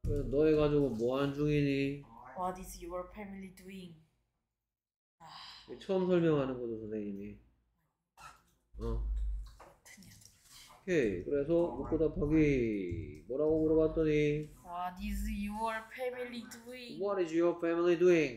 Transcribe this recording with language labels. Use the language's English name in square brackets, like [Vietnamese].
[Korean] 너희 가족은 뭐 하는 중이니? [English] What is your family doing? [Korean] 처음 설명하는 거죠, 선생님이. 오케이, 그래서 묻고 답하기. 뭐라고 물어봤더니? [English] What is your family doing? What is your family doing?